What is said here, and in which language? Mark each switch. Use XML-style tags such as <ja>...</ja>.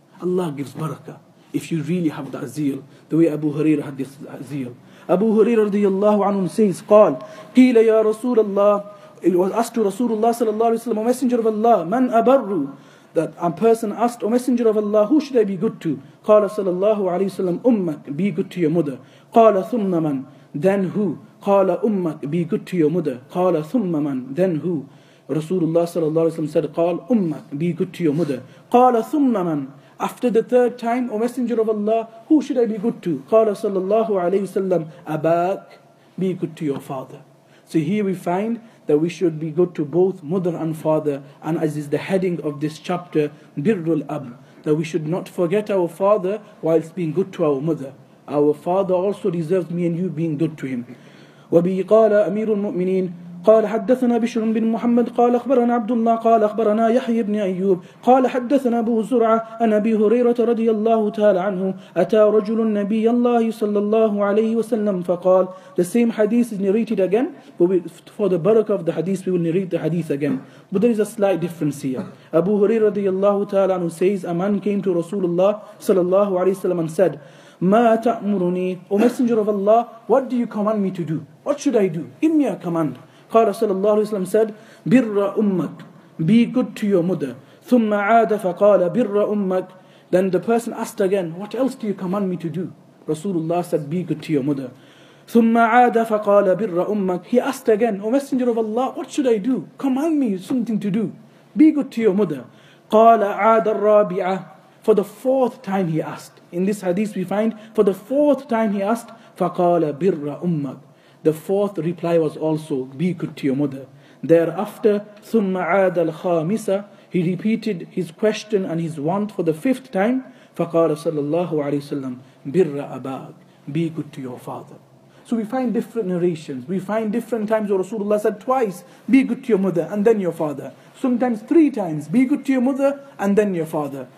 <en>Allah gives barakah if you really have that zeal, the way Abu Huraira had this zeal. Abu Huraira radiallahu anhu says,</en> <ar>قيل يا رسول الله,</ar> <en>it was asked to Rasulullah sallallahu alayhi wa sallam, O Messenger of Allah, man abarru, that a person asked, O Messenger of Allah, who should I be good to?</en> <ar>قال sallallahu alayhi wa sallam, أمك,</ar> <en>be good to your mother.</en> <ar>قال ثم من,</ar> <en>then who?</en> <ar>قال أمك,</ar> <en>be good to your mother.</en> <ar>قال ثم من,</ar> <en>then who? Rasulullah sallallahu alayhi wa sallam said,</en> <ar>قال أمك,</ar> <en>be good to your mother.</en> <ar>قال ثم من,</ar> <en>after the third time, O Messenger of Allah, who should I be good to?</en> <ar>قال sallallahu alayhi wa sallam, أباك,</ar> <en>be good to your father. So here we find that we should be good to both mother and father, and as is the heading of this chapter, birrul abn, that we should not forget our father whilst being good to our mother. Our father also deserves me and you being good to him.</en> <ar>وبه قال أمير المؤمنين قال حدثنا بشر بن محمد قال أخبرنا عبد الله قال أخبرنا يحيى بن أيوب قال حدثنا أبو زرعة عن أبي هريرة رضي الله تعالى عنه أتى رجل النبي الله صلى الله عليه وسلم فقال.</ar> <en>The same hadith is narrated again, but for the barakah of the hadith we will narrate the hadith again, but there is a slight difference here. Abu Hurairah رضي الله تعالى عنه says, a man came to Rasulullah صلى الله عليه وسلم and said,</en> <ar>ما تأمرني,</ar> <en>O Messenger of Allah, what do you command me to do? What should I do? Give me a command.</en> <ar>قال صلى الله عليه وسلم</ar> <en>said,</en> <ar>بر أمك, be good to your mother. ثم عاد فقال بر أمك.</ar> <en>Then the person asked again, what else do you command me to do? Rasulullah said, be good to your mother.</en> <ar>ثم عاد فقال بر أمك.</ar> <en>He asked again, O Messenger of Allah, what should I do? Command me something to do. Be good to your mother.</en> <ar>قال عاد الرابعة.</ar> <en>For the fourth time he asked. In this hadith we find, for the fourth time he asked,</en> <ar>فَقَالَ بِرَّ أُمَّكْ.</ar> <en>The fourth reply was also, be good to your mother. Thereafter,</en> <ar>ثُمَّ عَادَ الْخَامِسَ.</ar> <en>He repeated his question and his want for the fifth time.</en> <ar>فَقَالَ صَلَى اللَّهُ عَلَيْهِ وَسَلَّمْ بِرَّ أَبَاكْ.</ar> <en>Be good to your father. So we find different narrations. We find different times where Rasulullah said twice, be good to your mother and then your father. Sometimes three times, be good to your mother and then your father.</en>